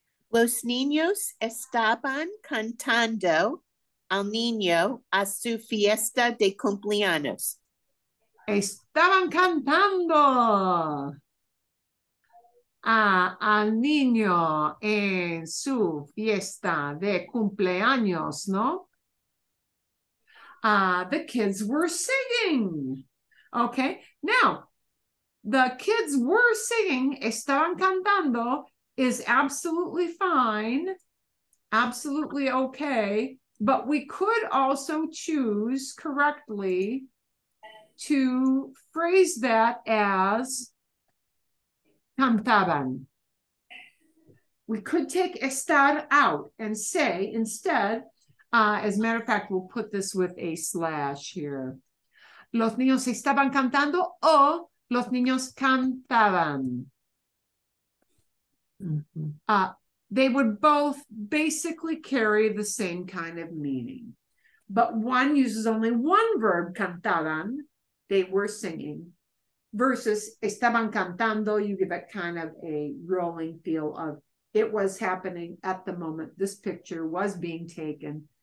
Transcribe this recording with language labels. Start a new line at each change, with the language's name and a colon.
Spanish: Los niños estaban cantando al niño a su fiesta de cumpleaños. Estaban cantando al niño en su fiesta de cumpleaños, ¿no?
English: The kids were singing. Okay, now, the kids were singing,
Spanish: estaban cantando,
English: is absolutely fine, absolutely okay, but we could also choose correctly to phrase that as cantaban. We could take estar out and say instead, as a matter of fact, we'll put this with a slash here.
Spanish: Los niños estaban cantando o los niños cantaban.
English: They would both basically carry the same kind of meaning. But one uses only one verb, cantaban, they were singing, versus
Spanish: estaban cantando,
English: you give it kind of a rolling feel of it was happening at the moment this picture was being taken.